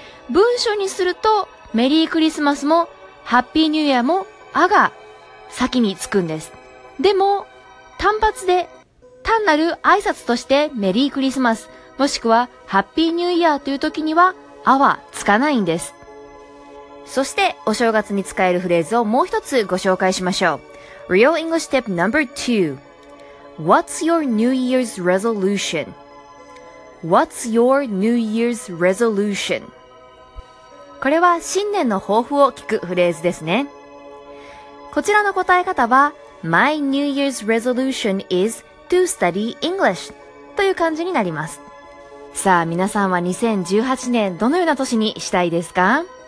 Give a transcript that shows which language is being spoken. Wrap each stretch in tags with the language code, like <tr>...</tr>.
<ja>文章にするとメリークリスマスもハッピーニューイヤーもあが先につくんです。でも単発で単なる挨拶としてメリークリスマスもしくはハッピーニューイヤーという時にはあはつかないんです。そしてお正月に使えるフレーズをもう一つご紹介しましょう。</ja> <en>Real English Tip No.2 What's your New Year's Resolution? What's your New Year's Resolution?</en> <ja>これは新年の抱負を聞くフレーズですね。こちらの答え方は</ja> <en>My New Year's resolution is to study English</en> <ja>という感じになります。さあ皆さんは2018年どのような年にしたいですか？</ja>